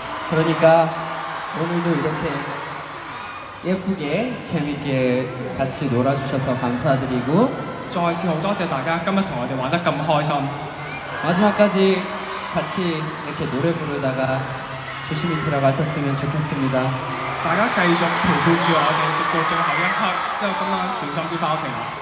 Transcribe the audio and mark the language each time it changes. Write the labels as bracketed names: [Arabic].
[Korean] 그러니까 오늘도 이렇게 예쁘게 재밌게 같이 놀아주셔서 감사드리고 [Cantonese] 再次好多謝大家今日同我哋玩得咁開心。 [Korean] 마지막까지 같이 이렇게 노래 부르다가 조심히 들어가셨으면 좋겠습니다. [Cantonese] 大家繼續陪伴住我哋直到最後一刻，之後今晚小心啲翻屋企啦。